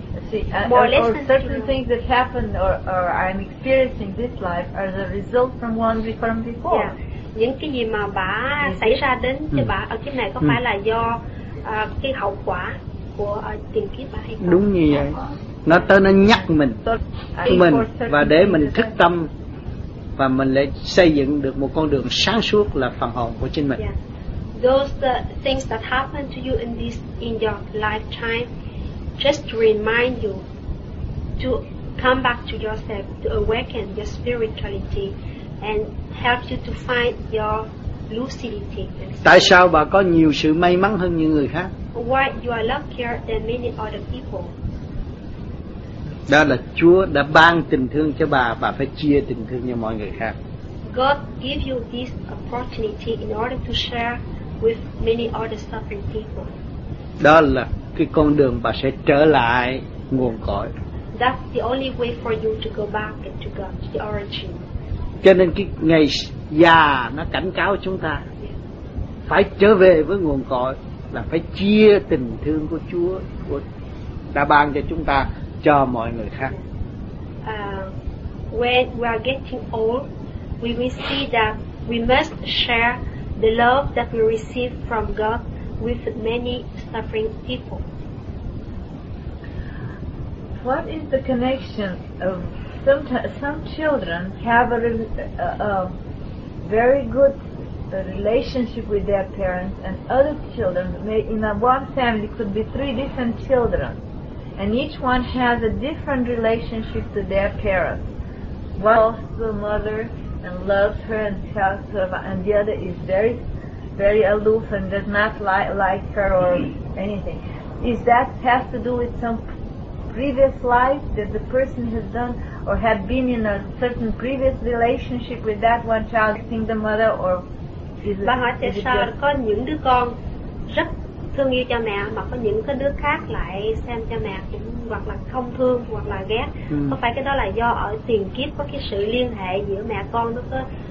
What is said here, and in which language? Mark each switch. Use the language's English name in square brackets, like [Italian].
[English] See, certain things that happen or I'm experiencing this life are the result from one from before. Yeah. [Vietnamese] Những cái gì mà bà xảy ra đến cho bà ở kiếp này có phải là do cái hậu quả của tiền kiếp bà hay không? Đúng như vậy. Nó tới nó nhắc mình, mình và để mình thức tâm và mình lại xây dựng được một con đường sáng suốt là phần hồn của chính mình. [English] Yeah. Those things that happen to you in your lifetime just to remind you to come back to yourself, to awaken your spirituality and help you to find your lucidity. [Vietnamese] Tại sao bà có nhiều sự may mắn hơn những người khác? [English] Why you are luckier than many other people? [Vietnamese] Đó là Chúa đã ban tình thương cho bà phải chia tình thương cho mọi người khác. [English] God give you this opportunity in order to share with many other suffering people. [Vietnamese] Đó là cái con đường bà sẽ trở lại nguồn cội. [English] That's the only way for you to go back to God, the origin. [Vietnamese] Cho nên cái ngày già nó cảnh cáo chúng ta phải trở về với nguồn cội, là phải chia tình thương của Chúa của đã ban cho chúng ta cho mọi người khác. [English] When we are getting old, we will see that we must share the love that we receive from God with many suffering people. What is the connection of some children have a very good relationship with their parents, and other children may, in a one family could be three different children, and each one has a different relationship to their parents. One loves the mother and loves her and tells her, and the other is very aloof and does not like her or anything. Is that has to do with some previous life that the person has done or had been in a certain previous relationship with that one child, think the mother, or is it? [Vietnamese] Bà hỏi tại sao có những đứa con rất thương yêu cha mẹ mà có những cái đứa khác lại xem cha mẹ cũng hoặc là không thương hoặc là ghét. Có phải cái đó là do ở tiền kiếp có cái sự liên hệ giữa mẹ con nó có